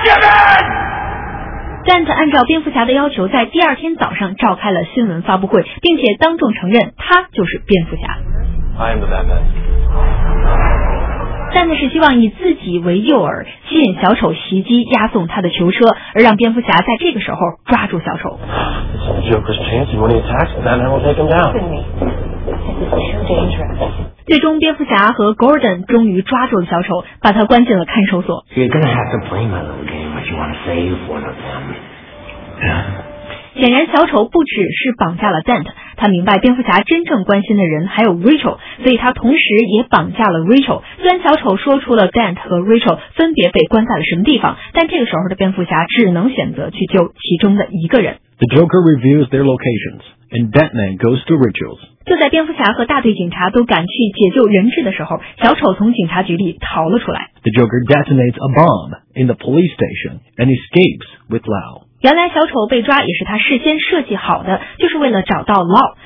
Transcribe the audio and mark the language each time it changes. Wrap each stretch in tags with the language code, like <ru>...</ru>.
<en>get in!</en> <zh>按照蝙蝠侠的要求，在第二天早上召开了新闻发布会，并且当众承认他就是蝙蝠侠。</zh> <en>I am the Batman.</en> <zh>站的是希望以自己为诱饵，吸引小丑袭击押送他的囚车，而让蝙蝠侠在这个时候抓住小丑。</zh> <en>This is Joker's chance. When he attacks, Batman will take him down. This is too dangerous.</en> <zh>最终蝙蝠侠和 Gordon 终于抓住了小丑，把他关进了看守所。</zh> <en>You're gonna have to play my little game if you want to save one of them.</en> <zh>显然小丑不只是绑架了 Dent， 他明白蝙蝠侠真正关心的人还有 Rachel， 所以他同时也绑架了 Rachel。虽然小丑说出了 Dent 和 Rachel 分别被关在了什么地方，但这个时候的蝙蝠侠只能选择去救其中的一个人。</zh> <en>The Joker reviews their locations and Batman goes to Rachel's。</en> <zh>就在蝙蝠侠和大队警察都赶去解救人质的时候，小丑从警察局里逃了出来。</zh> <en>The Joker detonates a bomb in the police station and escapes with Lao.</en> <zh>原来小丑被抓也是他事先设计好的，就是为了找到 Lao。</zh>